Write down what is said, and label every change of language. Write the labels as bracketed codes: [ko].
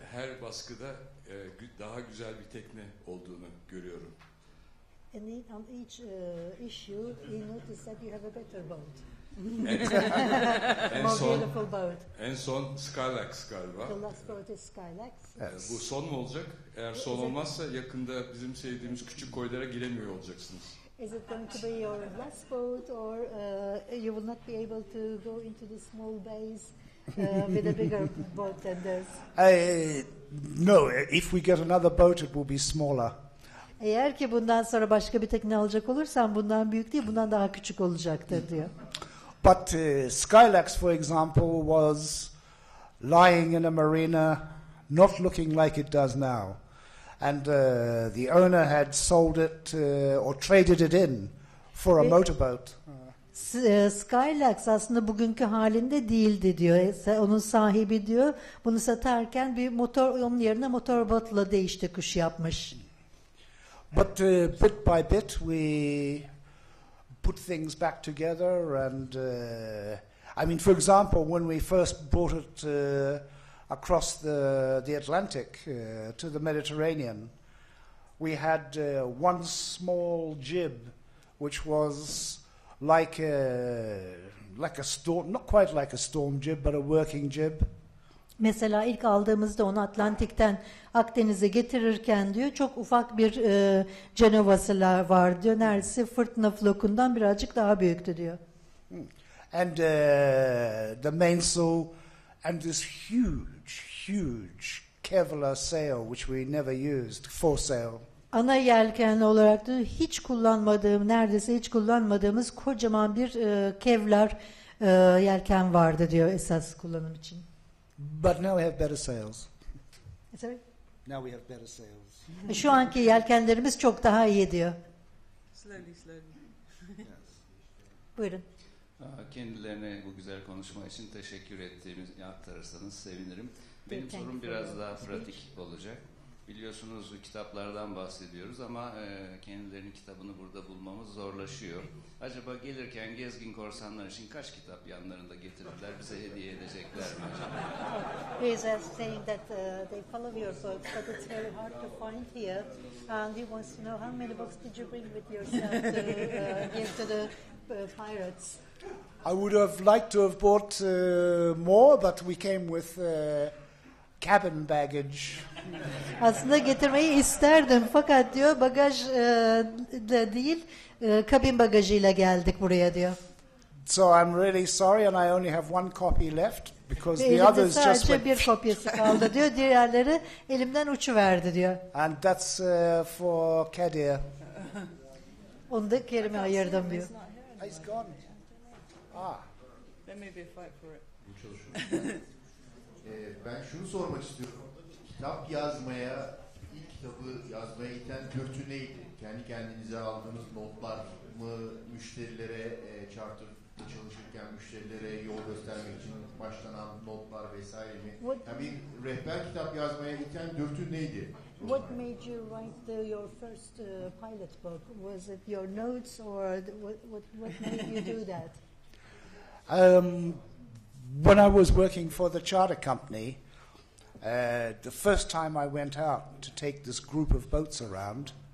[tr] her baskıda daha güzel bir tekne olduğunu görüyorum. [en] And on each issue you notice that you have a better boat. [tr] En son, [en] beautiful boat. [tr] En son Skylax galiba. [en] The last boat is Skylax. [tr] Evet, bu son mu olacak? Eğer son olmazsa yakında bizim sevdiğimiz küçük koylara giremiyor olacaksınız. [en] Is it going to be your last boat, or you will not be able to go into the small bays with a bigger boat than this? No, if we get another boat, it will be smaller. [tr] Eğer ki bundan sonra başka bir tekne alacak olursan bundan büyük değil, bundan daha küçük olacaktır diyor. [en] But Skylax, for example, was lying in a marina, not looking like it does now. And the owner had sold it or traded it in for a motorboat. [tr] Skylax aslında bugünkü halinde değildi diyor. Onun sahibi diyor, bunu satarken bir motor, onun yerine motorboatla değiş tokuş yapmış. [en] But bit by bit we put things back together, and I mean, for example, when we first brought it across the Atlantic to the Mediterranean, we had one small jib, which was like a storm, not quite like a storm jib, but a working jib. [tr] Mesela ilk aldığımızda onu Atlantik'ten Akdeniz'e getirirken diyor çok ufak bir cenovasılar var diyor. Neredeyse fırtına flokundan birazcık daha büyüktü diyor. [en] And the mainsail and this huge, huge Kevlar sail which we never used, foresail. [tr] Ana yelken olarak da hiç kullanmadığım, neredeyse hiç kullanmadığımız kocaman bir Kevlar yelken vardı diyor esas kullanım için. [en] But now we have better sails. Sorry? Now we have better sails. [tr] Şu anki yelkenlerimiz çok daha iyi diyor. [en] Slowly, slowly. [tr] Buyurun. Kendilerine bu güzel konuşma için teşekkür ettiğimizi aktarırsanız sevinirim. Benim sorum biraz daha pratik olacak. Biliyorsunuz kitaplardan bahsediyoruz ama kendilerinin kitabını burada bulmamız zorlaşıyor. Acaba gelirken Gezgin Korsanlar için kaç kitap yanlarında getirdiler, bize hediye edecekler mi? [en] He is saying that they follow your books, but it's very hard to find here. And he wants to know how many books did you bring with yourself to give to the pirates? I would have liked to have bought more, but we came with cabin baggage. [tr] Aslında getirmeyi isterdim fakat diyor bagaj da değil, kabin bagajıyla geldik buraya diyor. [en] So I'm really sorry and I only have one copy left because the others just went. [tr] Sadece bir kopyası kaldı diyor, diğerleri elimden uçuverdi diyor. [en] And that's for Kadir. [tr] Onu da Kerim'e ayırdım diyor. [en] He's gone. Ah. There may be a fight for it. [tr] Ben şunu sormak istiyorum. Kitap yazmaya, ilk kitabı yazmaya iten dürtü neydi? Kendi kendinize aldığınız notlar mı, müşterilere charter'da çalışırken müşterilere yol göstermek için başlanan notlar vesaire mi? Yani bir rehber kitap yazmaya iten dürtü neydi? [en] What made you write your first pilot book? Was it your notes or what made you do that? When I was working for the charter company, the first time I went out to take this group of boats around.